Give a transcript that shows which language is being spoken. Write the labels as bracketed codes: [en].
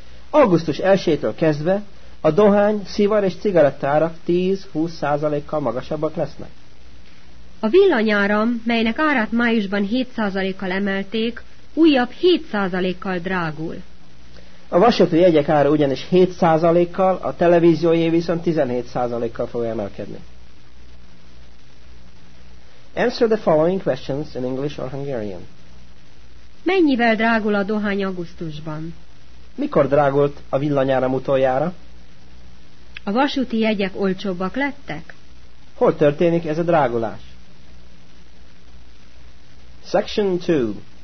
[hu] Augusztus 1-től kezdve a dohány, szivar és cigaretta árak 10-20%-kal magasabbak lesznek. A villanyáram, melynek árát májusban 7%-kal emelték, újabb 7%-kal drágul. A vasúti jegyek ára ugyanis 7%-kal, a televíziójé viszont 17%-kal fog emelkedni. [en] Answer the following questions in English or Hungarian. [hu] Mennyivel drágul a dohány augusztusban? Mikor drágult a villanyára utoljára? A vasúti jegyek olcsóbbak lettek? Hol történik ez a drágulás? [en] Section 2.